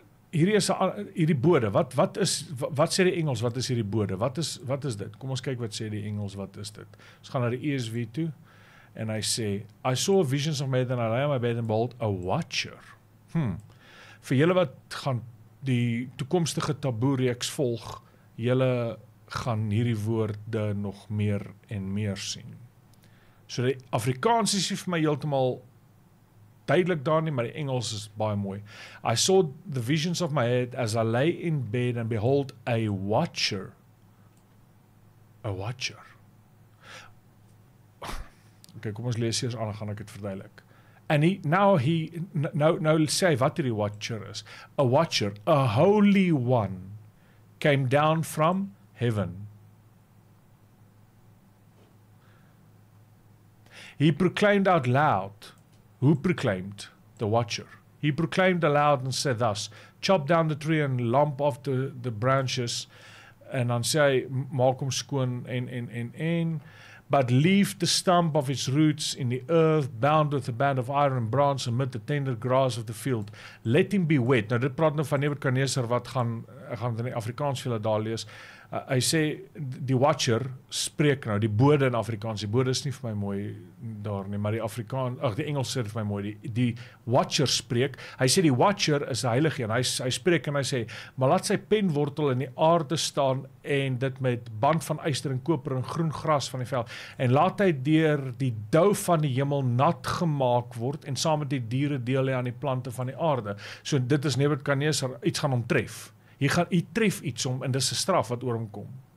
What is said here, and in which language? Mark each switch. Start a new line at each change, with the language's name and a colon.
Afrikaans: hierdie bode, wat sê die Engels, wat is hierdie bode, wat is dit, kom ons kyk wat sê die Engels, wat is dit, ons gaan na die ESV toe, en hy sê,
English: I saw visions of made and I lay on my bed and behold a watcher,
Afrikaans: vir julle wat gaan die toekomstige taboe reeks volg, julle gaan hierdie woorde nog meer en meer sien. So die Afrikaans is vir my heeltemal duidelik daar nie, maar die Engels is baie mooi.
English: I saw the visions of my head as I lay in bed and behold a watcher. A watcher.
Afrikaans: Okay, kom ons lees hier aan, gaan ek het verduidelik.
English: And now
Afrikaans: sê wat die watcher is.
English: A watcher, a holy one, came down from heaven. He proclaimed out loud. Who proclaimed? The watcher. He proclaimed aloud and said thus, chop down the tree and lump off the branches.
Afrikaans: En dan sê hy, maak hom skoon en,
English: but leave the stump of its roots in the earth, bound with a band of iron and bronze amid the tender grass of the field. Let him be wet.
Afrikaans: Nou, dit praat nou van Nebukadnezar, wat gaan in Afrikaans vir julle daar lees. Hy sê, die watcher spreek nou, die bode in Afrikaans, die bode is nie vir my mooi daar nie, maar die Afrikaans, ach, die Engels sê vir my mooi, die watcher spreek, hy sê die watcher is die heilige, en hy spreek en hy sê, maar laat sy penwortel in die aarde staan, en dit met band van yster en koper en groen gras van die veld, en laat hy deur die dou van die hemel nat gemaak word, en saam met die diere deel hy aan die plante van die aarde, so dit is Nebukadnezar, iets gaan omtref, Hy tref iets om, en dis 'n straf wat oor hom kom.